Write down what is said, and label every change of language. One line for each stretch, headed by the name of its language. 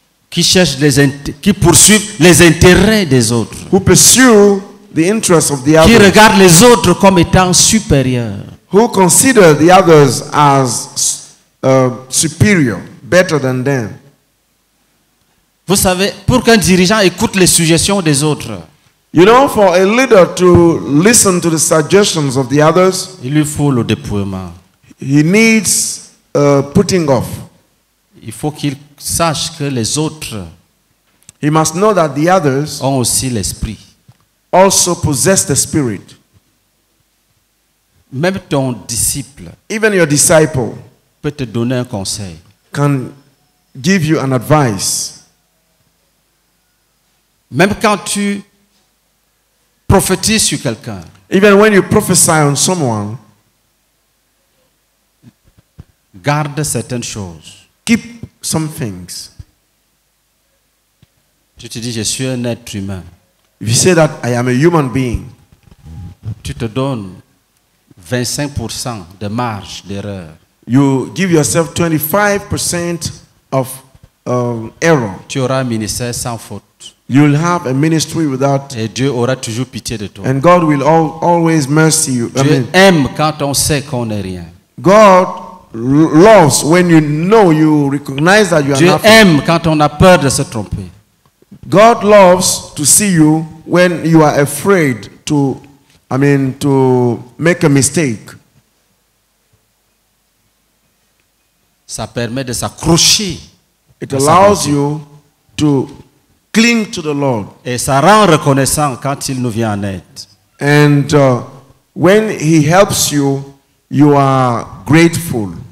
French: qui cherchent les qui poursuivent les intérêts des autres,
English: who pursue the interests of the others,
French: qui regardent les autres comme étant supérieurs,
English: who consider the others as superior, better than them.
French: Vous savez, pour qu'un dirigeant écoute les suggestions des autres,
English: you know, for a leader to listen to the suggestions of the others,
French: il lui faut le dépouillement.
English: He needs putting off.
French: Il faut qu'il sache que les autres,
English: he must know that the others,
French: ont aussi l'esprit.
English: Also possess the spirit.
French: Même ton disciple,
English: even your disciple,
French: peut te donner un conseil.
English: Can give you an advice.
French: Même quand tu prophétise sur quelqu'un.
English: Even when you prophesy on someone,
French: garde certaines choses.
English: Keep some things.
French: Tu te dis, je suis un être humain.
English: If you say that I am a human being,
French: tu te donnes 25% de marge d'erreur.
English: You give yourself 25% of error.
French: Tu auras un ministère sans faute.
English: You'll have a ministry without.
French: Et Dieu aura toujours pitié de toi.
English: And God will always mercy you.
French: Dieu aime quand on sait qu'on n'est rien.
English: God loves when you know you recognize that you are nothing.
French: Dieu aime quand on a peur de se tromper.
English: God loves to see you when you are afraid to to make a mistake.
French: Ça permet de s'accrocher.
English: It allows you to cling to the Lord.
French: Et ça rend reconnaissant quand il nous vient en aide.
English: And when he helps you, you are grateful.